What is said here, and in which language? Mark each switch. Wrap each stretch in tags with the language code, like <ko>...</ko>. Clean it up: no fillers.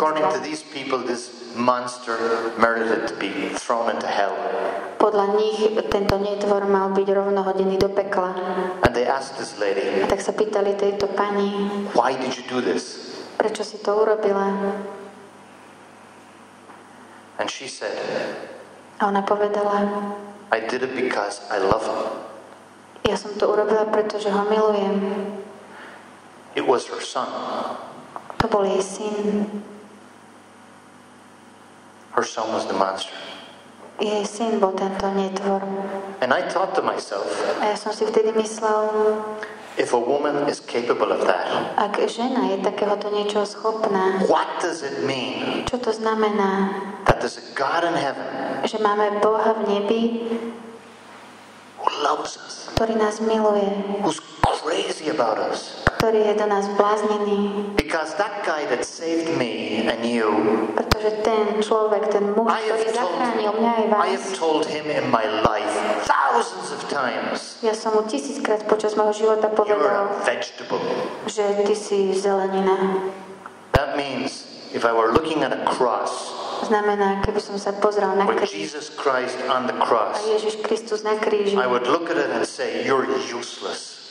<en>According to these people, this monster merited to be thrown into hell.</en> <sk>Podľa nich tento netvor mal byť rovnohodený do pekla.</sk> <en>And they asked this lady,</en> <sk>a tak sa pýtali tejto pani,</sk> <en>why did you do this?</en> <sk>Prečo si to urobila?</sk> <en>And she said,</en> <sk>a ona povedala,</sk> <en>I did it because I love him.</en> <sk>Ja som to urobila, pretože ho milujem.</sk> <en>It was her son.</en> <sk>To bol jej syn.</sk> <en>Her son was the monster.</en> <sk>Jej syn bol tento netvor.</sk> <en>And I thought to myself,</en> <sk>a ja som si vtedy myslel,</sk> <en>if a woman is capable of that,</en> <sk>ak žena je takéhoto niečo schopná,</sk> <en>what does it mean,</en> <sk>čo to znamená,</sk> <en>that there's a God in heaven,</en> <sk>že máme Boha v nebi,</sk> <en>who loves us,</en> <sk>ktorý nás miluje,</sk> <en>who's crazy about us,</en> <sk>ktorý je do nás bláznený.</sk> <en>Because that guy that saved me and you,</en> <sk>pretože ten človek, ten muž, ktorý zachránil mňa aj vás,</sk> <en>I have told him in my life thousands of times,</en> <sk>ja som mu tisíckrát počas môjho života povedal,</sk> <en>vegetable,</en> <sk>že ty si zelenina.</sk> <en>That means if I were looking at a cross,</en> <sk>znamená, keby som sa pozrel na kríž,</sk> <en>Jesus Christ on the cross,</en> <sk>a Ježiš Kristus na kríži,</sk> <en>I would look at it and say, you're useless.</en>